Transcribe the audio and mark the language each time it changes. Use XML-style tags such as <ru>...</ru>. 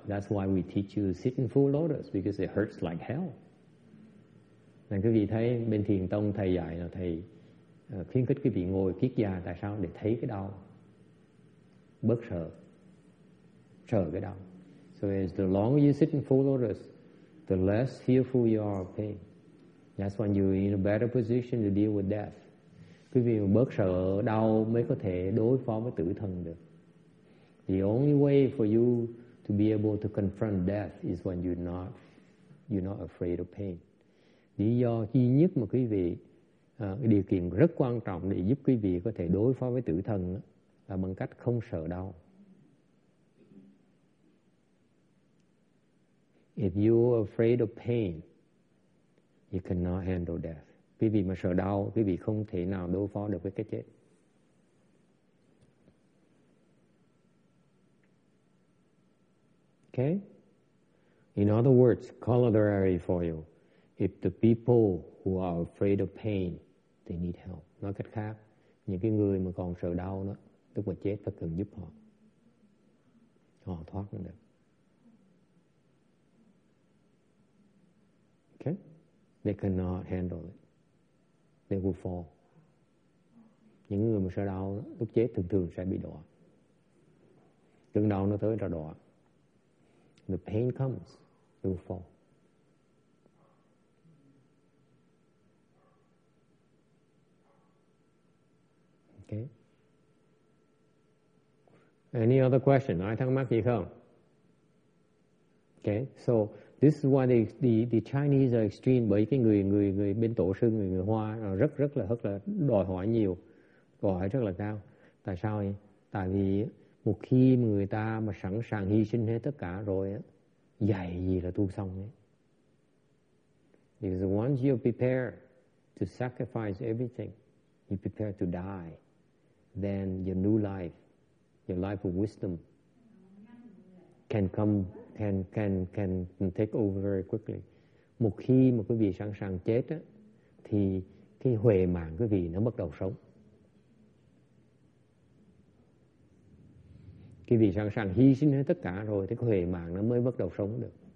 <en>That's why we teach you to sit in full lotus, because it hurts like hell.</en> <vi>Nên quý vị thấy bên thiền tông thầy dạy là thầy khuyến khích quý vị ngồi kiết già. Tại sao? Để thấy cái đau, bớt sợ, sợ cái đau.</vi> <en>So as the longer you sit in full lotus, the less fearful you are of pain. That's when you're in a better position to deal with death.</en> <vi>Quý vị bớt sợ đau mới có thể đối phó với tử thần được.</vi> <en>The only way for you to be able to confront death is when you're not afraid of pain.</en> <vi>Lý do duy nhất mà quý vị, điều kiện rất quan trọng để giúp quý vị có thể đối phó với tử thần là bằng cách không sợ đau.</vi> <en>If you are afraid of pain, you cannot handle death.</en> <vi>Quý vị mà sợ đau, quý vị không thể nào đối phó được với cái chết.</vi> <en>Okay? In other words, corollary for you. If the people who are afraid of pain, they need help.</en> <vi>Nói cách khác, những cái người mà còn sợ đau đó, lúc mà chết phải cần giúp họ. Họ thoát được.</vi> <en>Okay? They cannot handle it. They will fall.</en> <vi>Những người mà sợ đau đó, lúc chết thường thường sẽ bị đọa. Cơn đau nó tới là đọa.</vi> <en>The pain comes, it will fall. Okay. Any other question?</en> <vi>Ai thắc mắc gì không? Okay.</vi> <en>So this is why the Chinese are extreme.</en> <vi>Bởi cái người bên tổ sư người Hoa rất là đòi hỏi nhiều, đòi hỏi rất là cao. Tại sao vậy? Tại vì một khi người ta mà sẵn sàng hy sinh hết tất cả rồi á, dạy gì là tu xong đấy.</vi> <en>Because once you prepare to sacrifice everything, you prepare to die, then your new life, your life of wisdom, can take over very quickly.</en> <vi>Một khi mà quý vị sẵn sàng chết á, thì cái huệ mạng quý vị nó bắt đầu sống. Quý vị sẵn sàng hy sinh hết tất cả rồi thì cái huệ mạng nó mới bắt đầu sống được.</vi>